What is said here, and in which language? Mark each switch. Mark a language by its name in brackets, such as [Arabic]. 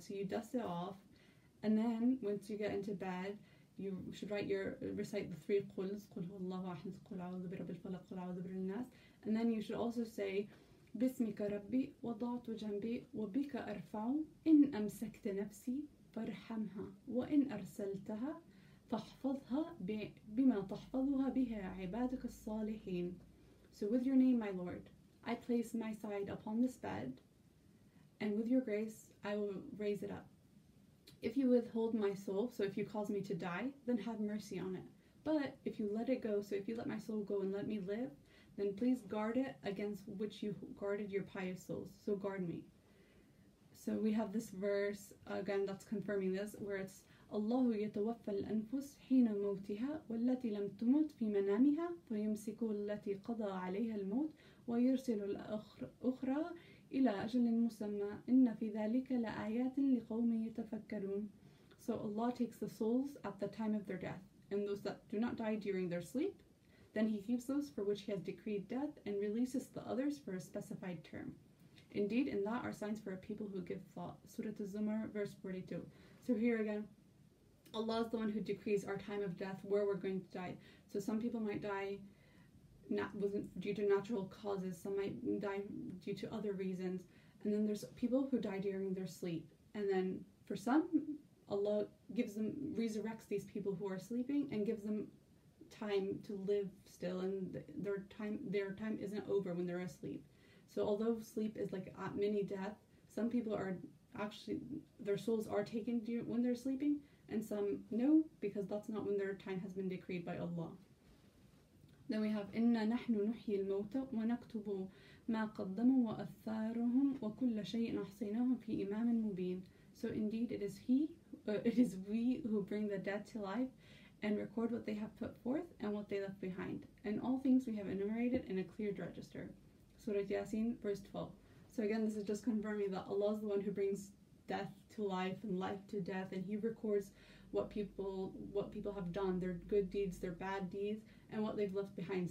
[English] So you dust it off, and then once you get into bed, you should recite the three quls, [Arabic] قل هو الله أحد, قل أعوذ برب الفلق, قل أعوذ برب الناس. [English] And then you should also say, [Arabic] بسمك ربي وضعت جنبي وبك أرفع إن أمسكت نفسي فارحمها وإن أرسلتها فاحفظها بما تحفظها بها عبادك الصالحين. [English] So with your name, my Lord, I place my side upon this bed, and with your grace, I will raise it up. If you withhold my soul, so if you cause me to die, then have mercy on it. But if you let it go, so if you let my soul go and let me live, then please guard it against which you guarded your pious souls. So guard me. So we have this verse, again, that's confirming this, where it's, [Arabic] الله يتوفى الأنفس حين موتها والتي لم تمت في منامها فيمسك التي قضى عليها الموت ويرسل الأخرى إلى أجل مسمى إن في ذلك لآيات لقوم يتفكرون. [English] So Allah takes the souls at the time of their death, and those that do not die during their sleep, then He keeps those for which He has decreed death and releases the others for a specified term. Indeed, in that are signs for a people who give thought. Surah Az-Zumar, verse 42. So here again, Allah is the one who decrees our time of death, where we're going to die. So some people might die due to natural causes, some might die due to other reasons. And then there's people who die during their sleep. And then for some, Allah resurrects these people who are sleeping and gives them time to live still, and their time isn't over when they're asleep. So although sleep is like a mini death, some people are actually, their souls are taken when they're sleeping. And some no, because that's not when their time has been decreed by Allah. Then we have [Arabic] إن نحن نحيي الموتى ونكتب ما قدموا وأثارهم وكل شيء أحصيناه في إمام مبين. [English] So indeed, it is we who bring the dead to life, and record what they have put forth and what they left behind, and all things we have enumerated in a cleared register. Surah Yasin, verse 12. So again, this is just confirming that Allah is the one who brings death to life and life to death, and He records what people have done, their good deeds, their bad deeds, and what they've left behind.